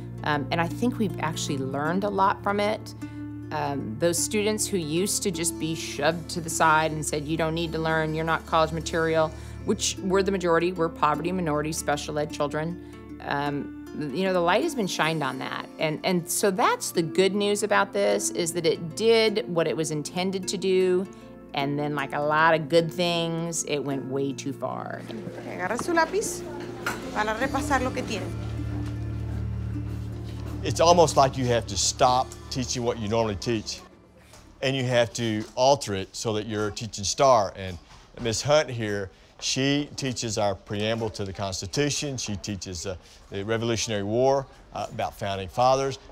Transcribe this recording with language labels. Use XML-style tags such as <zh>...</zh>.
<en>And I think we've actually learned a lot from it. Those students who used to just be shoved to the side and said, you don't need to learn, you're not college material, which were the majority, were poverty, minority, special ed children. You know, the light has been shined on that. And so that's the good news about this, is that it did what it was intended to do. And then, like a lot of good things, it went way too far.</en> <es>Agarra su lápiz para repasar lo que tiene.</es> <en>It's almost like you have to stop teaching what you normally teach, and you have to alter it so that you're a teaching star. And Ms. Hunt here, she teaches our preamble to the Constitution. She teaches the Revolutionary War about founding fathers.</en>